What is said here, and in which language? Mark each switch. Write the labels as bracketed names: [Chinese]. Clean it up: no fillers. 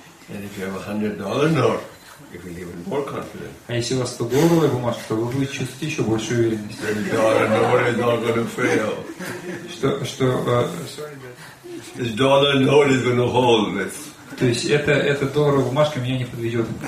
[English] And if you have $100 note, you can even more confident. [Russian] А если у вас 100-долларовая бумажка, то вы будете чувствовать еще больше уверенности. [English] The dollar note is not going to fail. This dollar note is going to hold this. [Russian] То есть это долларовая бумажка меня не подведет.